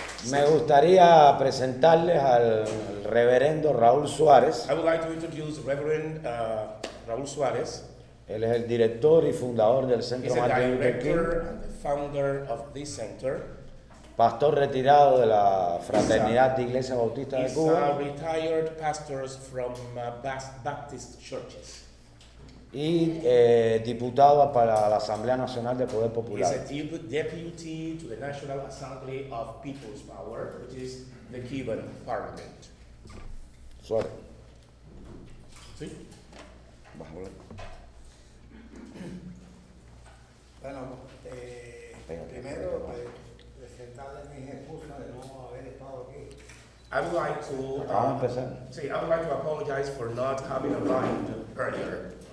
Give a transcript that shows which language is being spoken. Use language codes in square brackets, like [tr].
[es] Me gustaría presentarles al Reverendo Raúl Suárez. [en] I would like to introduce Reverend Raúl Suárez. [es] Él es el director y fundador del Centro Martin Luther King. [en] He's the director and the founder of this center. [es] Pastor retirado de la Fraternidad de Iglesia Bautista de Cuba. [en] He's a retired pastor from Baptist churches. [es] Y diputado para la Asamblea Nacional de Poder Popular. [en] He's a deputy to the National Assembly of People's Power, which is the Cuban Parliament. [es] Suárez. Sí. Vas a hablar. Bueno, primero presentarles mis excusas de no haber estado aquí. [en] I would like to. [es] Vamos a empezar. [en] Sí, I would like to apologize for not having arrived earlier.